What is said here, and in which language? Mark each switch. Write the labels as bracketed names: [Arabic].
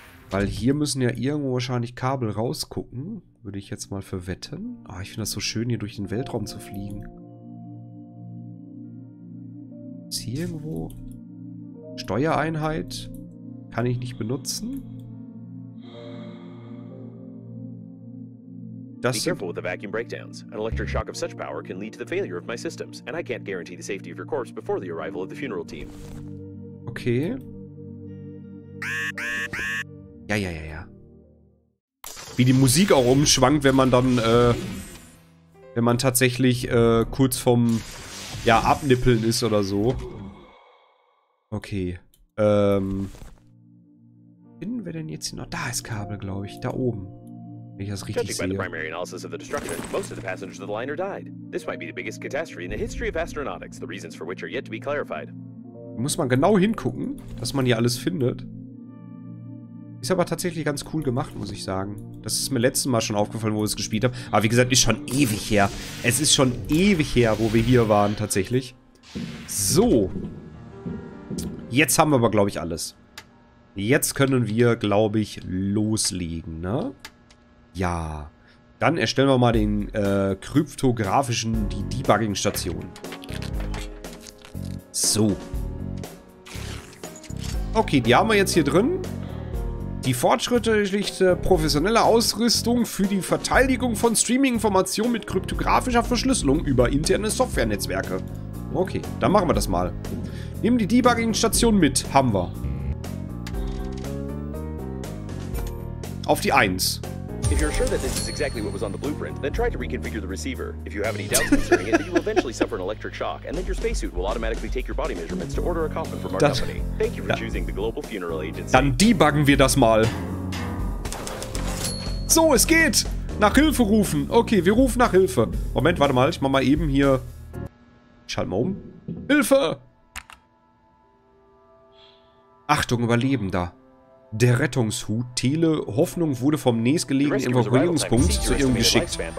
[German] Weil hier müssen ja irgendwo wahrscheinlich Kabel rausgucken. Würde ich jetzt mal verwetten. Oh, ich finde das so schön, hier durch den Weltraum zu fliegen. Hier irgendwo. Steuereinheit. Kann ich nicht benutzen. [English] Be careful with the vacuum breakdowns. An electric shock of such power can lead to the failure of my systems, and I can't guarantee the safety of your corpse before the arrival of the funeral team. [German] Okay. Ja, ja, ja, ja. Wie die Musik auch umschwankt, wenn man dann, wenn man tatsächlich, kurz vorm, ja, Abnippeln ist oder so. Okay. Finden wir denn jetzt hier noch? Da ist Kabel, glaube ich. Da oben. Wenn ich das richtig sehe. [English] By the primary analysis of the destruction, most of the passengers of the liner died. This might be the biggest catastrophe in the history of astronautics, the reasons for which are yet to be clarified. [German] Muss man genau hingucken, dass man hier alles findet. Ist aber tatsächlich ganz cool gemacht, muss ich sagen. Das ist mir letztes Mal schon aufgefallen, wo ich es gespielt habe. Aber wie gesagt, ist schon ewig her. Es ist schon ewig her, wo wir hier waren, tatsächlich. So. Jetzt haben wir aber, glaube ich, alles. Jetzt können wir, glaube ich, loslegen, ne? Ja. Dann erstellen wir mal den kryptografischen, die Debugging-Station. So. Okay, die haben wir jetzt hier drin. Die fortschrittliche professionelle Ausrüstung für die Verteidigung von Streaming-Informationen mit kryptografischer Verschlüsselung über interne Software-Netzwerke. Okay, dann machen wir das mal. Nimm die Debugging-Station mit, haben wir. Auf die 1. [English] If you're sure that this is exactly what was on the blueprint, then try to reconfigure the receiver. If you have any doubts concerning it, then you will eventually suffer an electric shock, and then your spacesuit will automatically take your body measurements to order a coffin from our company. Thank you for choosing the Global Funeral Agency. [German] Dann debuggen wir das mal. So, es geht! Nach Hilfe rufen. Okay, wir rufen nach Hilfe. Moment, warte mal, ich mach mal eben hier... Schalt mal um. Hilfe! Achtung, Überlebender. Der Rettungshut Tele Hoffnung wurde vom nächstgelegenen Evakuierungspunkt zu ihrem geschickt.